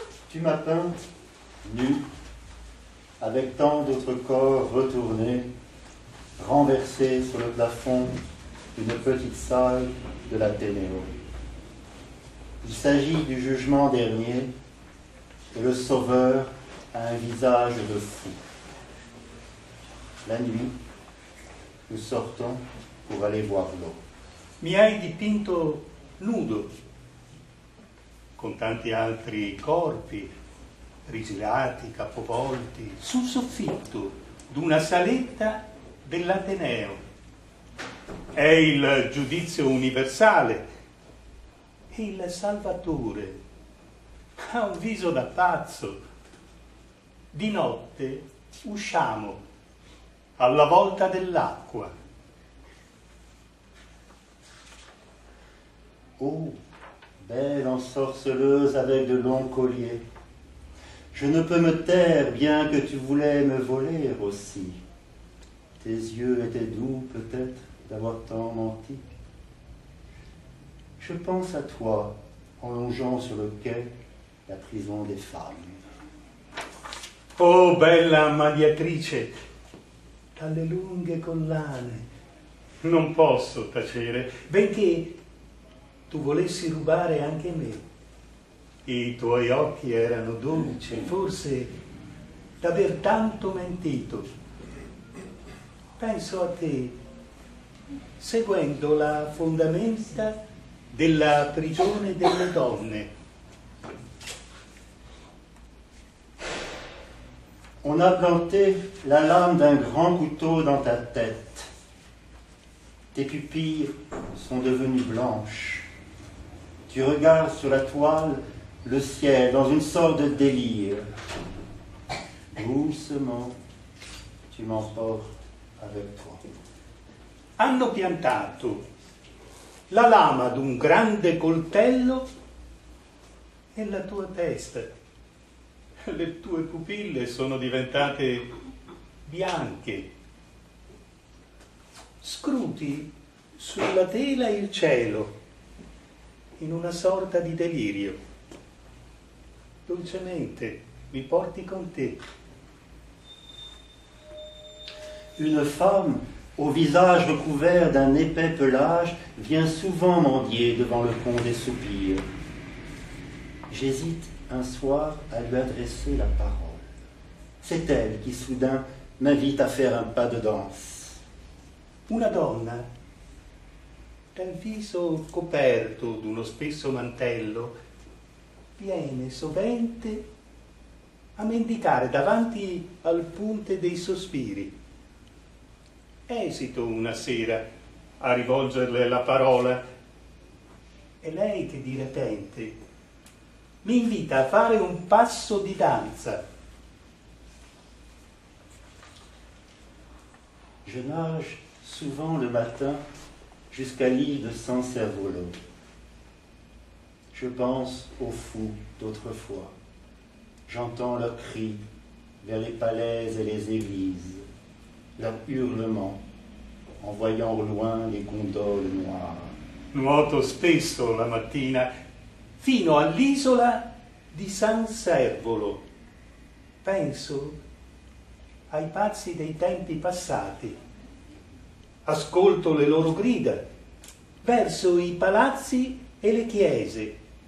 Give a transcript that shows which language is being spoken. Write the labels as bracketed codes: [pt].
[fr] Tu m'as peinte nue, avec tant d'autres corps retournés, renversés sur le plafond d'une petite salle de l'Athénée. Il s'agit du jugement dernier, et le sauveur a un visage de fou. La nuit, nous sortons pour aller voir l'eau. [it] Mi hai dipinto nudo, con tanti altri corpi, rigirati, capovolti, sul soffitto d'una saletta dell'Ateneo. È il giudizio universale e il Salvatore ha un viso da pazzo. Di notte usciamo alla volta dell'acqua. [fr] Oh, belle ensorceleuse avec de longs colliers, je ne peux me taire, bien que tu voulais me voler aussi. Tes yeux étaient doux, peut-être, d'avoir tant menti. Je pense à toi, en longeant sur le quai, la prison des femmes. [it] Oh, bella mediatrice, dalle lunghe collane, non posso tacere, benché tu volessi rubare anche me. I tuoi occhi erano dolci, forse d'aver tanto mentito. Penso a te, seguendo la fondamenta della prigione delle donne. [fr] On a planté la lame d'un grand couteau dans ta tête. Tes pupilles sont devenues blanches. Tu regardes sur la toile le ciel dans une sorte de délire. Doucement, tu m'emportes avec toi. [it] Hanno piantato la lama d'un grande coltello nella tua testa. Le tue pupille sono diventate bianche. Scruti sulla tela il cielo in una sorta di delirio. Dolcemente mi porti con te. [fr] Une femme au visage recouvert d'un épais pelage vient souvent mendier devant le pont des soupirs. J'hésite un soir à lui adresser la parole. C'est elle qui soudain m'invite à faire un pas de danse. [it] Una donna dal viso coperto d'uno spesso mantello viene sovente a mendicare davanti al ponte dei sospiri. Esito una sera a rivolgerle la parola. È lei che di repente mi invita a fare un passo di danza. [fr] Je nage souvent le matin jusqu'à l'île de Saint-Servolo. Je pense aux fous d'autrefois. J'entends leurs cris vers les palais et les églises, leurs hurlements en voyant au loin les gondoles noires. [it] Nuoto spesso la mattina fino all'isola di San Servolo. Penso ai pazzi dei tempi passati. Ascolto le loro grida verso i palazzi e le chiese.